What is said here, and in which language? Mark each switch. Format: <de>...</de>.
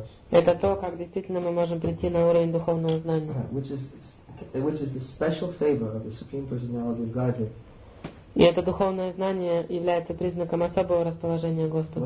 <ru>Это то, как действительно мы можем прийти на уровень духовного знания.</ru> <en>Which is the special favor of the Supreme Personality of Godhead.</en> <ru>И это духовное знание является признаком особого расположения Господа.</ru>